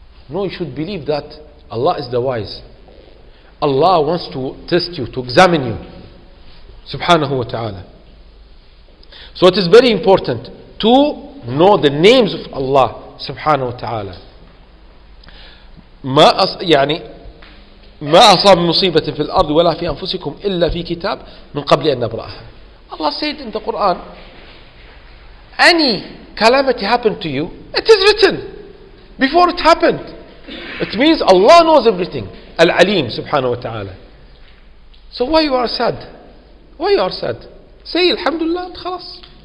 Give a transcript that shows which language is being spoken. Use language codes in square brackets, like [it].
[en] No, you should believe that Allah is the wise. Allah wants to test you, to examine you. [ar] Subhanahu wa ta'ala. [en] So it is very important to know the names of Allah, [ar] subhanahu wa ta'ala. ما أصاب مصيبة في الأرض ولا في أنفسكم إلا في كتاب من قبل أن نبرأها. [en] Allah said in the Quran, any calamity happened to you, it is written before it happened. It means Allah knows everything. [ar] Al-Alim subhanahu wa ta'ala. [en] So why you are sad? Why you are sad? Say [ar] Alhamdulillah, khalas.